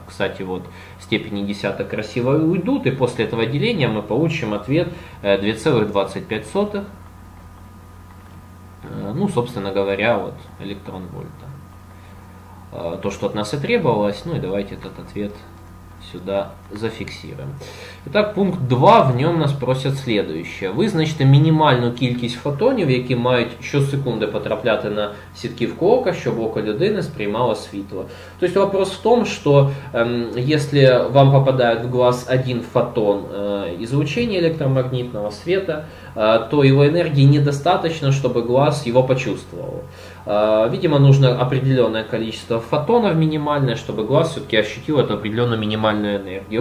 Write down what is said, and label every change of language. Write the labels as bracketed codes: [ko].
[ru] Кстати, вот степени десяток красиво уйдут, и после этого деления мы получим ответ 2,25. Ну, собственно говоря, вот электрон-вольта. То, что от нас и требовалось, ну и давайте этот ответ сюда зафиксируем. Итак, пункт 2, в нем нас просят следующее. [uk] Визначте мінімальну кількість фотонів, які мають щосекунди потрапляти на сітківку ока, щоб око людини сприймало світло. [ru] То есть вопрос в том, что если вам попадает в глаз один фотон излучения электромагнитного света, то его энергии недостаточно, чтобы глаз его почувствовал. Видимо, нужно определенное количество фотонов минимальное, чтобы глаз все-таки ощутил эту определенную минимальную энергию.